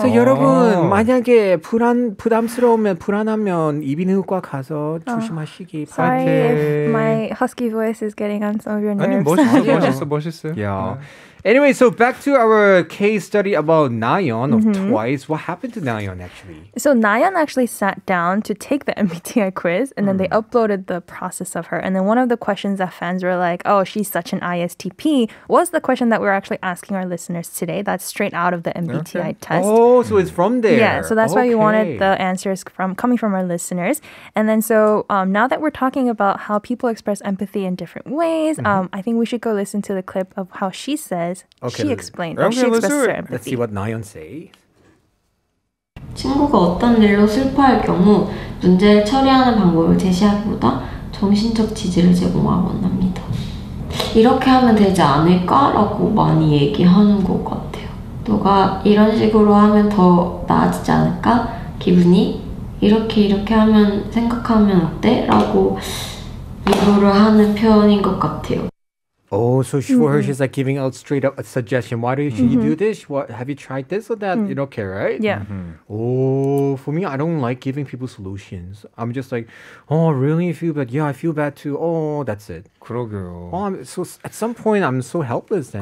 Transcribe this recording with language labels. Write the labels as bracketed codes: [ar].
[ko] So 여러분 만약에 부담스러우면 불안하면 이비인후과 가서 조심하시기 바랍니다. [en] Sorry, if my husky voice is getting on some of your nerves. [ko] 아니 멋있어 멋있어 멋있어. [en] Yeah. Anyway, so back to our case study about Nayeon of mm-hmm. Twice. What happened to Nayeon actually? So Nayeon actually sat down to take the MBTI quiz and then they uploaded the process of her. And then one of the questions that fans were like, oh, she's such an ISTP, was the question that we're actually asking our listeners today. That's straight out of the MBTI okay. test. Oh, so it's from there. Yeah, so that's okay. why we wanted the answers from coming from our listeners. And then so now that we're talking about how people express empathy in different ways, mm-hmm. I think we should go listen to the clip of how she said Okay. She explained. Okay, she let's, do it. Let's see what Nayeon says. [ko] 친구가 어떤 일로 슬퍼할 경우 문제를 처리하는 방법을 제시하기보다 정신적 지지를 제공하곤 합니다. 이렇게 하면 되지 않을까라고 많이 얘기하는 것 같아요. 누가 이런 식으로 하면 더 나아지지 않을까? 기분이 이렇게 하면 생각하면 어때?라고 위로를 하는 표현인 것 같아요. [en] Oh, so for mm-hmm. her, she's like giving out straight up a suggestion. Why do you, mm-hmm. you do this? What have you tried this or that? Mm-hmm. Okay, right? Yeah. Mm-hmm. Oh, for me, I don't like giving people solutions. I'm just like, oh, really? I feel bad. Yeah, I feel bad too. Oh, that's it. [ko] 그러게요. [en] Oh, so at some point, I'm so helpless then.